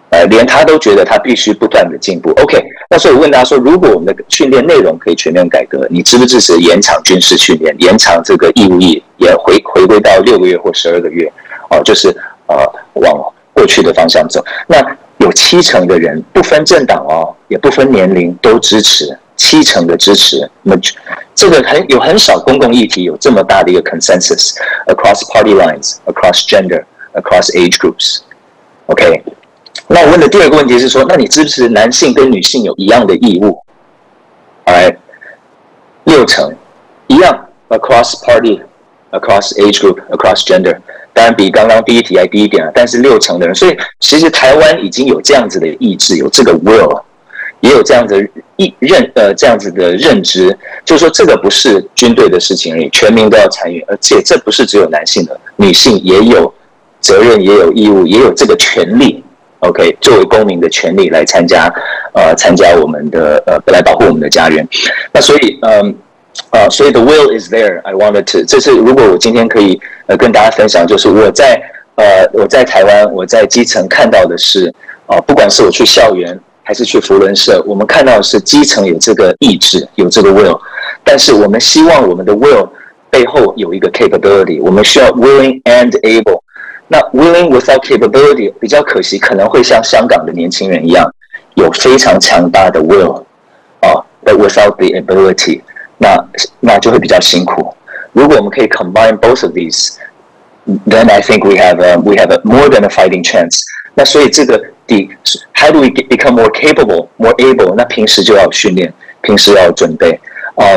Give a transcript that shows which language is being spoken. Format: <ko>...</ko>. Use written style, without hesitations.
<zh>连他都觉得他必须不断的进步。OK， 那所以我问他说，如果我们的训练内容可以全面改革，你支不支持延长军事训练，延长这个义务役，也回归到6个月或12个月，就是往过去的方向走。那有70%的人不分政党哦，也不分年龄都支持，70%的支持。那这个很少公共议题有这么大的一个</zh> <en>consensus across party lines, across gender, across age groups。 OK。</en> <zh>那我问的第二个问题是说，那你支持男性跟女性有一样的义务 ？Alright， 60%，一样 ，</zh> <en>across party, across age group, across gender。</en> <zh>当然比刚刚第一题还低一点啊，但是60%的人，所以其实台湾已经有这样子的意志，有这个 will， 也有这样子认知，就是说这个不是军队的事情而已，全民都要参与，而且这不是只有男性的，女性也有责任，也有义务，也有这个权利。 OK， 作为公民的权利来参加我们的来保护我们的家园。那所以所以</zh> <en>the will is there. I wanted to，</en> <zh>这是如果我今天可以跟大家分享，就是我在台湾，我在基层看到的是不管是我去校园还是去福伦社，我们看到的是基层有这个意志，有这个 will， 但是我们希望我们的 will 背后有一个 capability， 我们需要</zh> <en>willing and able。</en> <zh>那</zh> <en>willing without capability</en> <zh>比较可惜，可能会像香港的年轻人一样，有非常强大的 will，</zh> <en>but without the ability，</en> <zh>那就会比较辛苦。如果我们可以</zh> <en>combine both of these， then I think we have more than a fighting chance。</en> <zh>那所以这个</zh> <en>how do we become more capable, more able？</en> <zh>那平时就要训练，平时要准备啊。</zh>